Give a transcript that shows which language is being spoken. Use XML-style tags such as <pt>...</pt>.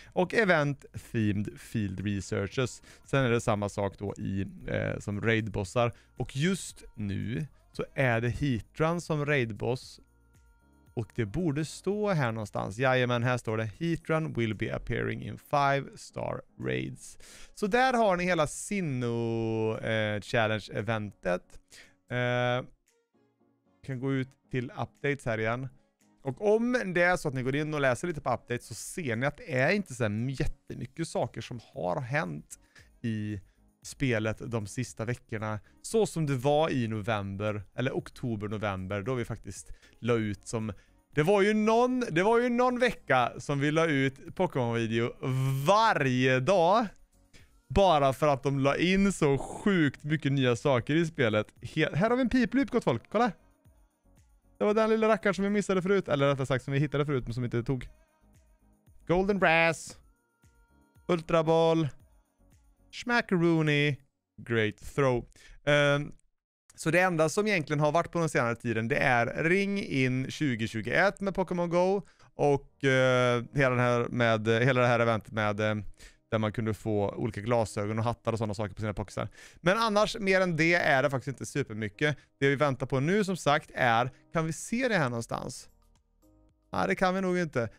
<sv>Och</sv> <en>event themed field researches.</en> <sv>Sen är det samma sak då i som raidbossar. Och just nu så är det Heatran som raidboss. Och det borde stå här någonstans. Jajamän, här står det.</sv> <en>Heatran will be appearing in 5-star raids.</en> <sv>Så där har ni hela Sinnoh-challenge-eventet. Vi kan gå ut till updates här igen. Och om det är så att ni går in och läser lite på updates, så ser ni att det är inte så jättemycket saker som har hänt i spelet de sista veckorna, så som det var i november eller oktober-november, då vi faktiskt la ut som, det var ju någon vecka som vi la ut Pokémon-video varje dag, bara för att de la in så sjukt mycket nya saker i spelet. Här har vi en piplup, gott folk, kolla, det var den lilla rackaren som vi missade förut, eller rättare sagt som vi hittade förut men som inte tog.</sv> <en>Golden Brass, Ultra Ball, Smackaroony, great throw.</en> <sv>Så det enda som egentligen har varit på den senare tiden, det är ring in 2021 med Pokémon Go och hela det här eventet med där man kunde få olika glasögon och hattar och sådana saker på sina pokisar. Men annars, mer än det är det faktiskt inte supermycket. Det vi väntar på nu som sagt är, kan vi se det här någonstans? Nej, det kan vi nog inte.</sv>